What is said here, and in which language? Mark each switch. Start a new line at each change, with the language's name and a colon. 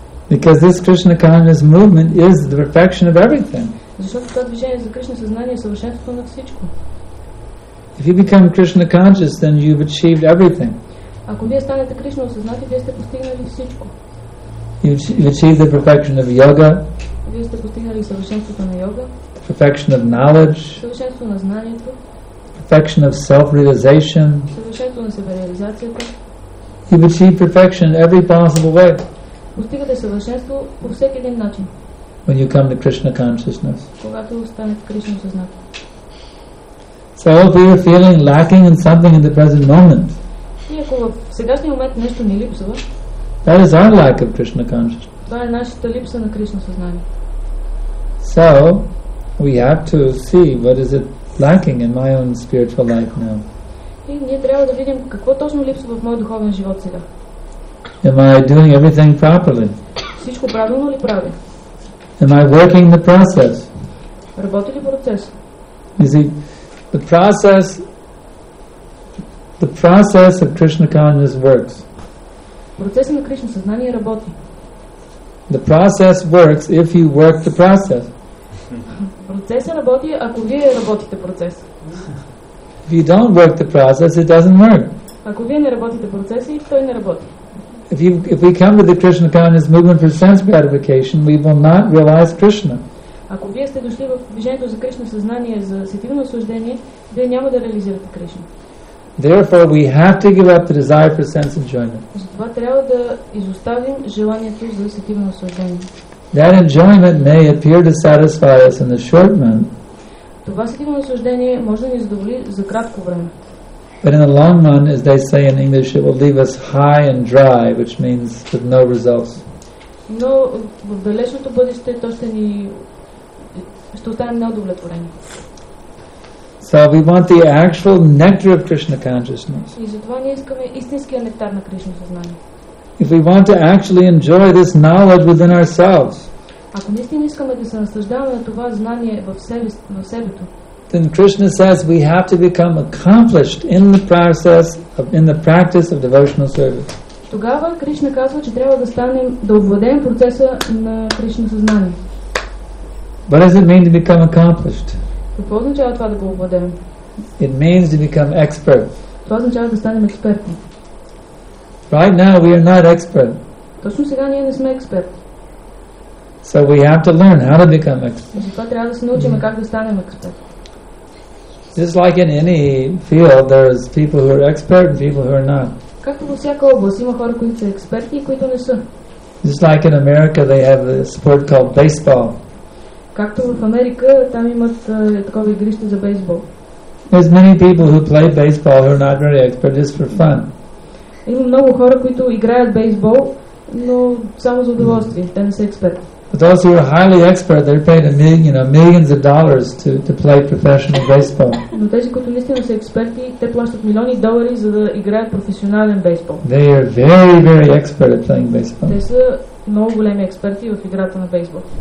English: Because this Krishna consciousness movement is the perfection of everything.
Bulgarian: Защото това движение за Кришна съзнание е съвършенството на всичко.
English: If you become Krishna conscious, then you've achieved everything.
Bulgarian: Ако вие станете Кришна осъзнати, вие сте постигнали всичко.
English: You've achieved the perfection of yoga.
Bulgarian: Вие сте постигнали съвършенството на йога.
English: The perfection of knowledge.
Bulgarian: Съвършенство на знанието.
English: Perfection of self-realization.
Bulgarian: Съвършенство на себе-реализацията.
English: You've achieved perfection in every possible way.
Bulgarian: Постигате съвършенство по всеки един начин.
English: When you come to Krishna consciousness.
Bulgarian: Когато станете Кришна осъзнати.
English: So if you're feeling lacking in something in the present moment,
Bulgarian: и ако в сегашния момент нещо ни липсва,
English: that is our lack of Krishna consciousness.
Bulgarian: Това е нашата липса на Кришна съзнание.
English: So we have to see what is it lacking in my own spiritual life now.
Bulgarian: И ние трябва да видим какво точно липсва в моя духовен живот сега.
English: Am I doing everything properly?
Bulgarian: Всичко правилно ли правя?
English: Am I working the process?
Bulgarian: Работи ли процес?
English: Is it The process of Krishna consciousness works.
Bulgarian: Процесът на Кришна съзнание работи.
English: The process works if you work the process.
Bulgarian: Процесът работи, ако вие работите процес.
English: If you don't work the process, it doesn't work.
Bulgarian: Ако вие не работите процеси, той не работи.
English: If we come to the Krishna consciousness movement for sense gratification, we will not realize Krishna.
Bulgarian: Ако вие сте дошли в движението за Кришна съзнание за сетивно осъждение, вие няма да реализирате Кришна.
English: Therefore, we have to give up the desire for sense enjoyment.
Bulgarian: Затова трябва да изоставим желанието за сетивно осъждение.
English: That enjoyment may appear to satisfy us in the short run.
Bulgarian: Това сетивно осъждение може да ни задоволи за кратко време.
English: But in the long run, as they say in English, it will leave us high and dry, which means with no results.
Bulgarian: Но в далечното бъдеще то ще ни останем неудовлетворени.
English: So we want the actual nectar of Krishna consciousness.
Bulgarian: И затова ние искаме истинския нектар на Кришна съзнание.
English: If we want to actually enjoy this knowledge within ourselves.
Bulgarian: Ако наистина искаме да се наслаждаваме на това знание в себе, в себето.
English: Then Krishna says we have to become accomplished in the process of in the practice of devotional service.
Bulgarian: Тогава Кришна казва, че трябва да станем да овладеем процеса на Кришна съзнание.
English: What does it mean to become accomplished?
Bulgarian: Какво означава това да го овладеем?
English: It means to become expert.
Bulgarian: Това означава да станем експерти.
English: Right now we are not expert.
Bulgarian: Точно сега ние не сме експерти.
English: So we have to learn how to become expert.
Bulgarian: Затова трябва да се научим как да станем експерти.
English: Just like in any field, there's people who are expert and people who are not.
Bulgarian: Както във всяка област има хора, които са експерти и които не са.
English: Just like in America, they have a sport called baseball.
Bulgarian: Както в Америка, там имат такова игрище за бейсбол.
English: There's many people who play baseball who are not very expert, just for fun.
Bulgarian: Има много хора, които играят бейсбол, но само за удоволствие, те не са експерти.
English: But those who are highly expert, they're paid millions of dollars to play professional baseball.
Bulgarian: Но тези, които наистина са експерти, те плащат милиони долари, за да играят професионален бейсбол.
English: They are very, very expert at playing baseball.
Bulgarian: Те са много големи експерти в играта на бейсбол.